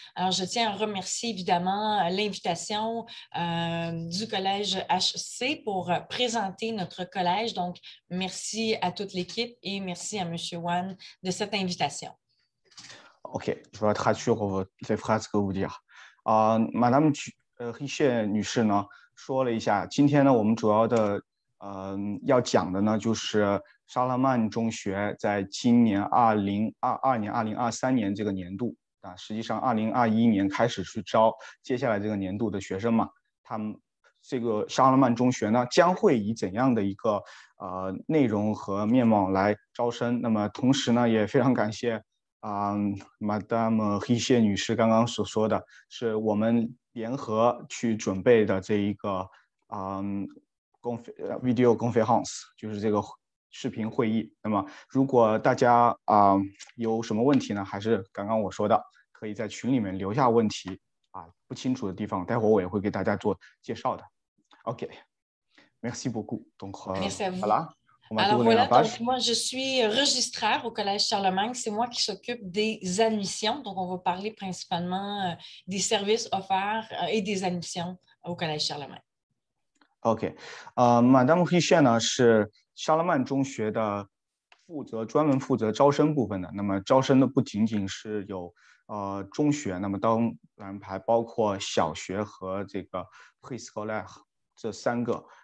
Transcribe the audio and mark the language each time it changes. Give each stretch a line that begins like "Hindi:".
French: Alors, je tiens à remercier évidemment l'invitation du Collège HEC pour présenter notre collège. Donc, merci à toute l'équipe et merci à M. Wan de cette invitation. OK, je vais traduire cette phrase que vous dire.
Chinese: Madame Hishe 女士呢说了一下，今天呢我们主要的要讲的呢就是沙拉曼中学在今年2022年2023年这个年度啊，实际上2021年开始去招接下来这个年度的学生嘛，他们这个沙拉曼中学呢将会以怎样的一个内容和面貌来招生？那么同时呢也非常感谢。 Madame Hishe 女士刚刚所说的是我们联合去准备的这一个
English: video conference,
Chinese: 就是这个视频会议。那么如果大家有什么问题呢，还是刚刚我说的可以在群里面留下问题啊，不清楚的地方待会我也会给大家做介绍的。
French: OK, merci beaucoup, donc, voilà. Alors voilà, donc moi je suis registraire au Collège Charlemagne, c'est moi qui s'occupe des admissions, donc on va parler principalement des services offerts et des admissions au Collège Charlemagne.
Chinese: OK, Madame Hishe 呢是沙拉曼中学的专门负责招生部分的，那么招生的不仅仅是有中学，那么当然还包括小学和这个 preschooler 这三个。